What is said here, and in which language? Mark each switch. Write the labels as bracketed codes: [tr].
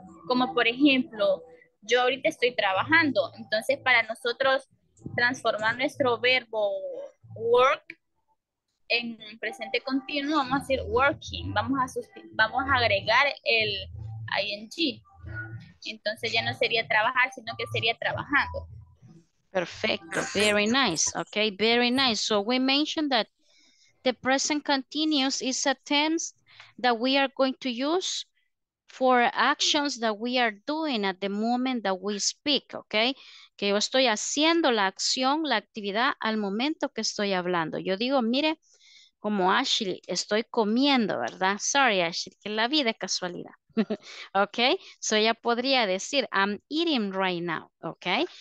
[es] Como por ejemplo, yo ahorita estoy trabajando, entonces para nosotros transformar nuestro verbo work en presente continuo, vamos a decir working, vamos a agregar el ing. Entonces ya no sería trabajar, sino que sería trabajando. [en] Perfecto, very nice. Okay, very nice. So we mentioned that the present continuous is a tense that we are going to use for actions that we are doing at the moment that we speak, okay? [es] Que yo estoy haciendo la acción, la actividad al momento que estoy hablando. Yo digo, mire, como Ashley, estoy comiendo, ¿verdad? Sorry, Ashley, que la vida es casualidad. Okay, so ya podría decir, [en] I'm eating right now, [es] okay?